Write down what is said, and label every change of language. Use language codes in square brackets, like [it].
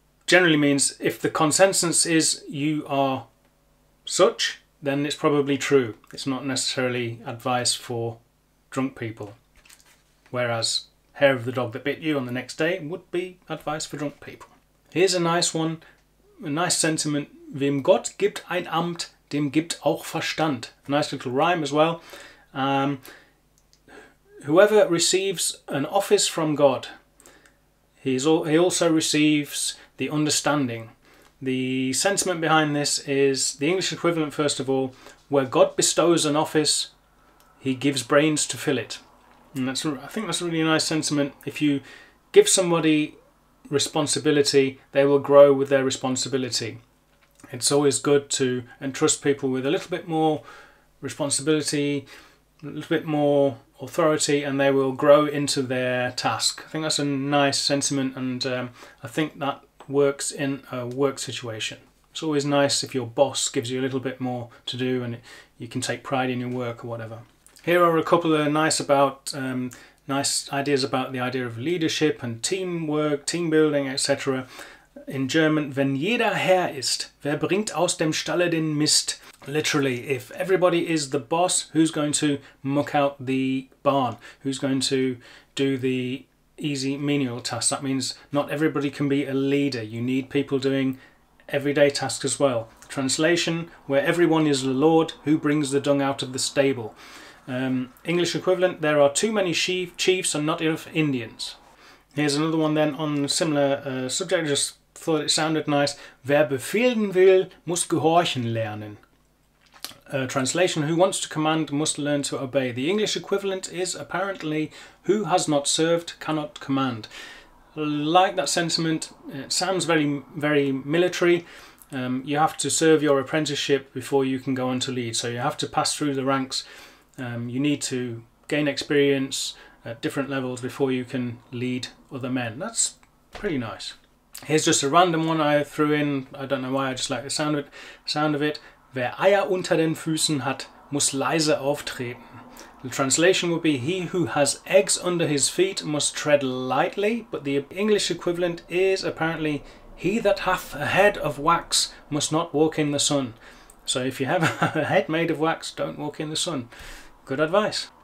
[en] Generally means, if the consensus is you are such, then it's probably true. It's not necessarily advice for drunk people. Whereas hair of the dog that bit you on the next day would be advice for drunk people. Here's a nice one, a nice sentiment. [de] Wem Gott gibt ein Amt, dem gibt auch Verstand. [en] Nice little rhyme as well. Whoever receives an office from God, he also receives the understanding. The sentiment behind this is the English equivalent, first of all, where God bestows an office, he gives brains to fill it. And that's, I think that's a really nice sentiment. If you give somebody responsibility, they will grow with their responsibility. It's always good to entrust people with a little bit more responsibility, a little bit more authority, and they will grow into their task. I think that's a nice sentiment, and I think that works in a work situation. It's always nice if your boss gives you a little bit more to do and you can take pride in your work or whatever. Here are a couple of nice ideas about the idea of leadership and teamwork, team building, etc. In German, [de] wenn jeder Herr ist, wer bringt aus dem Stalle den Mist? [en] Literally, if everybody is the boss, who's going to muck out the barn? Who's going to do the easy menial tasks? That means not everybody can be a leader. You need people doing everyday tasks as well. Translation, where everyone is the lord, who brings the dung out of the stable? English equivalent, there are too many chiefs and not enough Indians. Here's another one then on a similar subject, I just thought it sounded nice. [de] Wer befehlen will, muss gehorchen lernen. [en] Translation, who wants to command must learn to obey. The English equivalent is apparently, who has not served cannot command. Like that sentiment, it sounds very, very military. You have to serve your apprenticeship before you can go on to lead. So you have to pass through the ranks. You need to gain experience at different levels before you can lead other men. That's pretty nice. Here's just a random one I threw in. I don't know why, I just like the sound of it. [de] Wer Eier unter den Füßen hat, muss leise auftreten. [en] The translation would be, he who has eggs under his feet must tread lightly, but the English equivalent is apparently, he that hath a head of wax must not walk in the sun. So if you have a head made of wax, don't walk in the sun. Good advice.